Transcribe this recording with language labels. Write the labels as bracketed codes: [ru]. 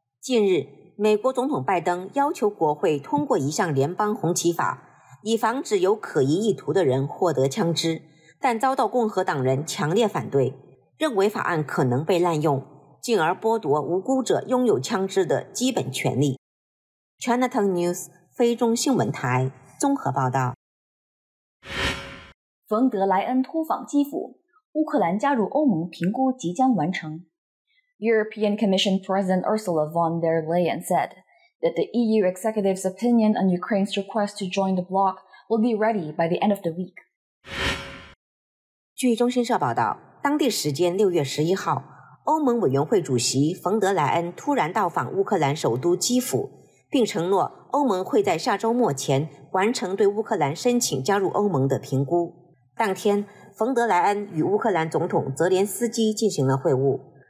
[zh] 近日，美国总统拜登要求国会通过一项联邦红旗法，以防止有可疑意图的人获得枪支，但遭到共和党人强烈反对，认为法案可能被滥用，进而剥夺无辜者拥有枪支的基本权利。 Cntv News 菲中新闻台综合报道。冯德莱恩突访基辅，乌克兰加入欧盟评估即将完成。 [en] European Commission President Ursula von der Leyen said that the EU executive's opinion on Ukraine's request to join the bloc will be ready by the end of the week. [zh] 据中新社报道，当地时间6月11号，欧盟委员会主席冯德莱恩突然到访乌克兰首都基辅，并承诺欧盟会在下周末前完成对乌克兰申请加入欧盟的评估。当天，冯德莱恩与乌克兰总统泽连斯基进行了会晤。